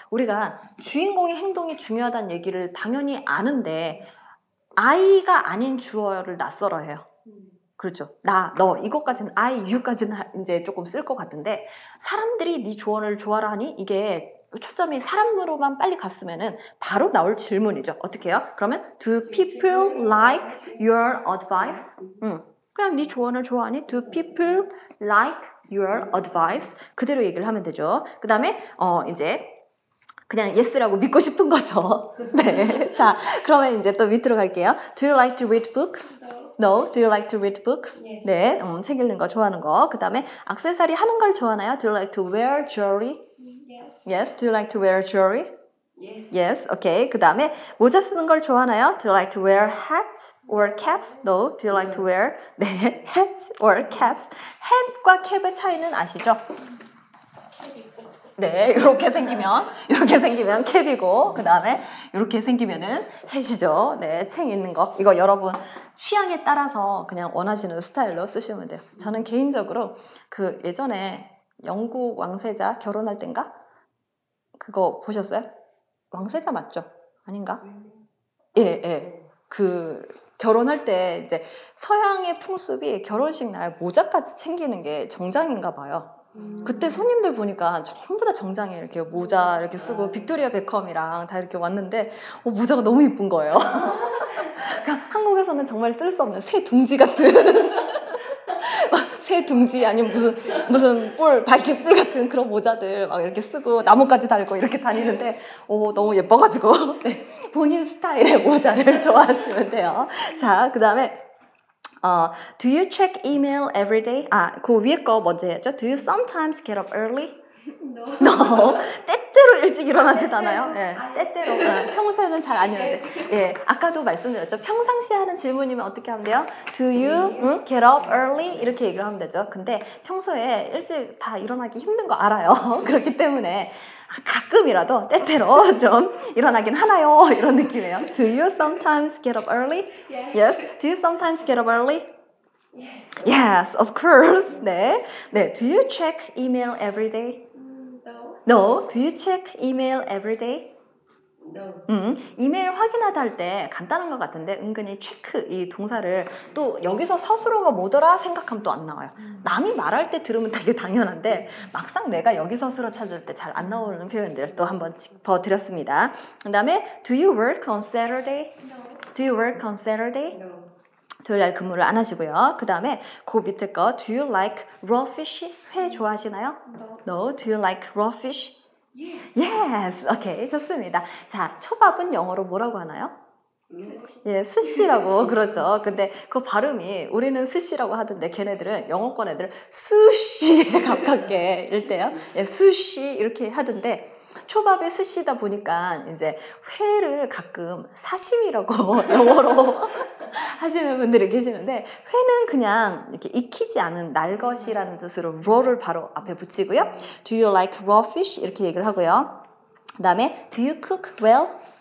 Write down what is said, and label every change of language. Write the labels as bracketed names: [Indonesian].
[Korean] 우리가 주인공의 행동이 중요하다는 얘기를 당연히 아는데 I가 아닌 주어를 낯설어 해요. 그렇죠. 나, 너 이것까지는 I, you까지는 이제 조금 쓸 것 같은데 사람들이 네 조언을 좋아라 하니 이게 초점이 사람으로만 빨리 갔으면은 바로 나올 질문이죠. 어떻게 해요? 그러면 [English] Do people like your advice? [Korean] 그냥 네 조언을 좋아하니? [English] Do people like your advice? [Korean] 그대로 얘기를 하면 되죠. 그 다음에 이제 그냥 yes라고 믿고 싶은 거죠. 네. 자, 그러면 이제 또 밑으로 갈게요. [English] Do you like to read books? No, do you like to read books? Yes. [Korean] 네, 책 읽는 거 좋아하는 거. 그 다음에 액세서리 하는 걸 좋아하나요? [English] Do you like to wear jewelry? Yes. Yes, do you like to wear jewelry? Yes. Yes, okay. [Korean] 그 다음에 모자 쓰는 걸 좋아하나요? [English] Do you like to wear hats or caps? No, do you like to wear 네, hats or caps? [Korean] Hat과 cap의 차이는 아시죠? 네, 이렇게 생기면, 이렇게 생기면 캡이고, 그 다음에 이렇게 생기면은 햇이죠. 네, 챙 있는 거. 이거 여러분 취향에 따라서 그냥 원하시는 스타일로 쓰시면 돼요. 저는 개인적으로 그 예전에 영국 왕세자 결혼할 땐가? 그거 보셨어요? 왕세자 맞죠? 아닌가? 예, 예. 그 결혼할 때 이제 서양의 풍습이 결혼식 날 모자까지 챙기는 게 정장인가 봐요. 그때 손님들 보니까 전부 다 정장에 이렇게 모자 이렇게 쓰고 빅토리아 베컴이랑 다 이렇게 왔는데 모자가 너무 이쁜 거예요. 그러니까 한국에서는 정말 쓸 수 없는 새 둥지 같은 새 둥지 아니면 무슨 뿔 바이킹 뿔 같은 그런 모자들 막 이렇게 쓰고 나뭇가지 달고 이렇게 다니는데 너무 예뻐가지고 네, 본인 스타일의 모자를 좋아하시면 돼요. 자, 그 다음에 [English] do you check email every day? [Korean] 아, 그 위에 거 먼저 해야죠. [English] Do you sometimes get up early? No. No. [Korean] 때때로 일찍 일어나지도 않아요. 예, 네, 때때로. 아, 평소에는 잘 안 일어나는데. 예, 네, 아까도 말씀드렸죠. 평상시에 하는 질문이면 어떻게 하면 돼요? [English] Do you get up early? [Korean] 이렇게 얘기를 하면 되죠. 근데 평소에 일찍 다 일어나기 힘든 거 알아요. 그렇기 때문에 가끔이라도 때때로 좀 일어나긴 하나요? 이런 느낌이에요. [English] Do you sometimes get up early? Yes. Yes. Do you sometimes get up early? Yes. Yes, of course. 네. 네. Do you check email every day? No. No. Do you check email every day? No. [Korean] 이메일 확인하다 할 때 간단한 것 같은데 은근히 체크 이 동사를 또 여기서 스스로가 뭐더라 생각하면 또 안 나와요. 남이 말할 때 들으면 되게 당연한데 막상 내가 여기 스스로 찾을 때 잘 안 나오는 표현들 또 한번 짚어드렸습니다. 그 다음에 [English] Do you work on Saturday? No. Do you work on Saturday? No. [Korean] 토요일 근무를 안 하시고요. 그 다음에 그 밑에 거 [English] Do you like raw fish? [Korean] 회 좋아하시나요? [English] No. No. Do you like raw fish? Yes. Yes. Okay. [Korean] 좋습니다. 자, 초밥은 영어로 뭐라고 하나요? 예, 스시라고 그러죠. 근데 그 발음이 우리는 스시라고 하던데 걔네들은 영어권 애들 수시에 가깝게 읽대요. 예, 수시 이렇게 하던데 초밥에 스시다 보니까 이제 회를 가끔 사시미라고 영어로 하시는 분들이 계시는데 회는 그냥 이렇게 익히지 않은 날 것이라는 뜻으로 raw를 바로 앞에 붙이고요. [English] Do you like raw fish? [Korean] 이렇게 얘기를 하고요. 그다음에 [English] Do you cook well?